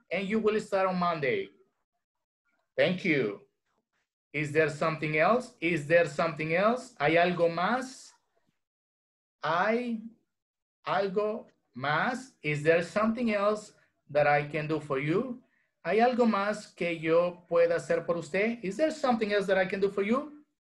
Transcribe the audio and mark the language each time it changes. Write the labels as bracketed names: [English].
[English] And you will start on Monday. Thank you. Is there something else? Is there something else? [Spanish] ¿Hay algo más? ¿Hay algo más? [English] Is there something else that I can do for you? [Spanish] ¿Hay algo más que yo pueda hacer por usted? [English] Is there something else that I can do for you?